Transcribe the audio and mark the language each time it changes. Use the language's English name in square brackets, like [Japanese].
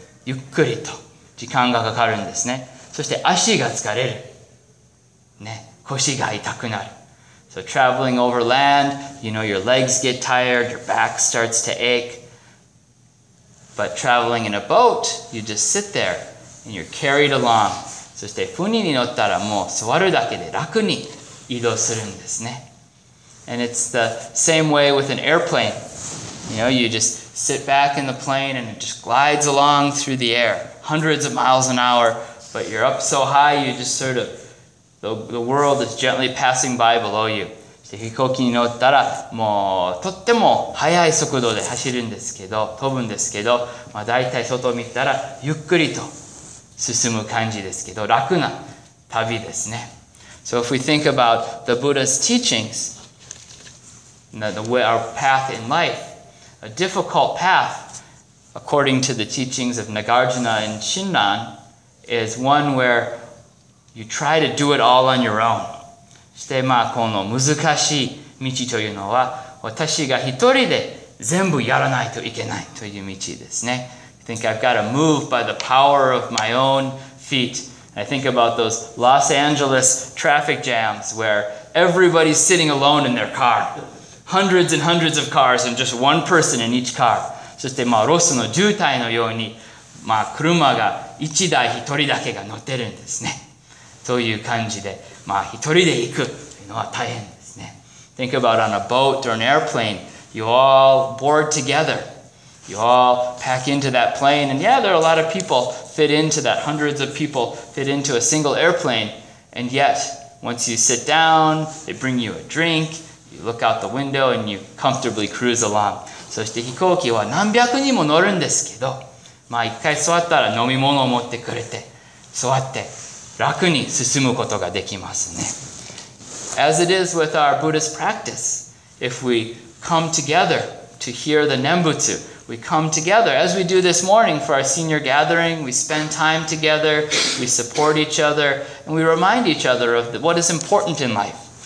[Japanese] ゆっくりと時間がかかるんですね。そして足が疲れる。ね、腰が痛くなる。 [English] So traveling over land, you know, your legs get tired, your back starts to ache. But traveling in a boat, you just sit there and you're carried along. [Japanese] そして船に乗ったらもう座るだけで楽に移動するんですね。 [English] And it's the same way with an airplane. You know, you just... sit back in the plane and it just glides along through the air, hundreds of miles an hour, but you're up so high, you just sort of, the world is gently passing by below you. [Japanese] 飛行機に乗ったら、もうとっても速い速度で走るんですけど、飛ぶんですけど、まあ、大体外を見たらゆっくりと進む感じですけど、楽な旅ですね。 [English] So if we think about the Buddha's teachings, the way our path in life,A difficult path, according to the teachings of Nagarjuna and Shinran, is one where you try to do it all on your own. [Japanese] そして、まあ、この難しい道というのは、私が一人で全部やらないといけないという道ですね。 [English] I think I've got to move by the power of my own feet. I think about those Los Angeles traffic jams where everybody's sitting alone in their car. Hundreds and hundreds of cars and just one person in each car. [Japanese] そして、まあ、ロスの渋滞のように、まあ、車が一台一人だけが乗ってるんですね。という感じで、まあ、一人で行くというのは大変ですね。 [English] Think about on a boat or an airplane, you all board together. You all pack into that plane. And yeah, there are a lot of people fit into that. Hundreds of people fit into a single airplane. And yet, once you sit down, they bring you a drink,You look out the window and you comfortably cruise along. [Japanese] そして飛行機は何百人も乗るんですけど、まあ一回座ったら飲み物を持ってくれて、座って楽に進むことができますね。 [English] As it is with our Buddhist practice, if we come together to hear the Nembutsu, we come together as we do this morning for our senior gathering, we spend time together, we support each other, and we remind each other of what is important in life.